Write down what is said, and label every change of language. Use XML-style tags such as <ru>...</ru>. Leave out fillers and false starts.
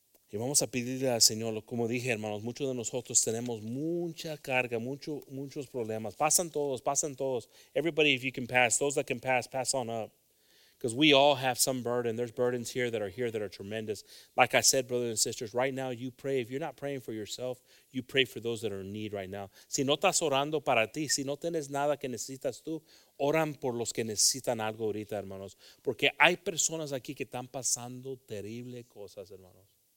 <es>Y vamos a pedirle al Señor, como dije, hermanos, muchos de nosotros tenemos mucha carga, muchos problemas. Pasan todos.</es> <en>Everybody, if you can pass, those that can pass, pass on up. Because we all have some burden. There's burdens here that are tremendous. Like I said, brothers and sisters, right now you pray. If you're not praying for yourself, you pray for those that are in need right now.</en> <es>Si no estás orando para ti, si no tienes nada que necesitas tú, oran por los que necesitan algo ahorita, hermanos. Porque hay personas aquí que están pasando terribles cosas, hermanos.</es>